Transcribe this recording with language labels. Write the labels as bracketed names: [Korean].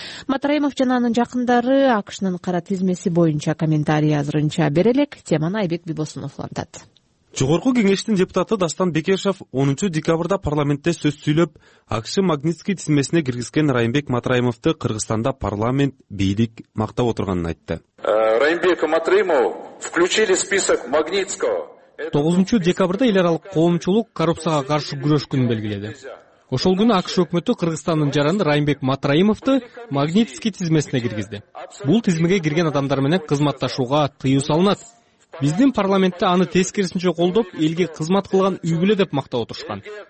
[Kyrgyz] Матраимов жана анын жакындары АКШнын кара тизмеси боюнча комментарий азырынча бере элек. Теманы Айбек Бибосунов улантат. Жогорку кеңештин депутаты Дастан Бекешев 10 декабрда парламентте сөз сүйлөп, АКШ Магнитский тизмесине киргизген Райымбек Матраимовду Кыргызстанда парламент, бийлик мактап отурганын айтты. [Russian] Райымбек Матраимов включили список Магнитского. [Kyrgyz] 9 декабрда эл аралык коомчулук коррупцияга каршы күрөш күнүн белгиледи. Ошол күнү АКШ өкмөтү Кыргызстандын жаран Райымбек Матраимовду Магнитский тизмесине киргизди. Бул тизмеге кирген адамдар менен кызматташууга тыюу салынат. Биздин парламентте аны тескерисинче колдоп, элге кызмат кылган үй бүлө деп мактап отурушкан.